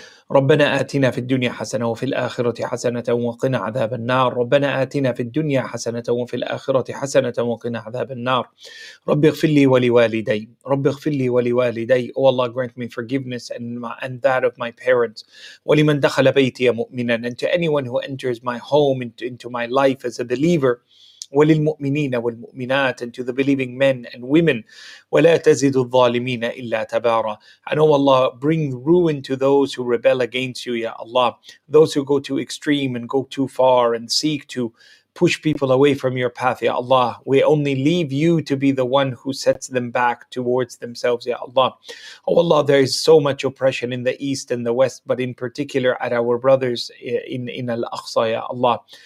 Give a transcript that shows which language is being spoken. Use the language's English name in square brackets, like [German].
[Arabic] ربنا آتنا في الدنيا حسنة وفي الآخرة حسنة وقنا عذاب النار. ربنا آتنا في الدنيا حسنة وفي الآخرة حسنة وقنا عذاب النار. رب اغفر لي ولوالدي. رب اغفر لي ولوالدي. [English] Oh Allah, grant me forgiveness and that of my parents. [Arabic] ولمن دخل بيتي مؤمنا. [English] And to anyone who enters my home into my life as a believer. [Arabic] وللمؤمنين والمؤمنات. [English] And to the believing men and women. [Arabic] ولا تزد الظالمين إلا تبارا. [English] And oh Allah, bring ruin to those who rebel against you, Ya Allah. Those who go too extreme and go too far and seek to push people away from your path, Ya Allah. We only leave you to be the one who sets them back towards themselves, Ya Allah. Oh Allah, there is so much oppression in the East and the West, but in particular at our brothers in Al-Aqsa, Ya Allah.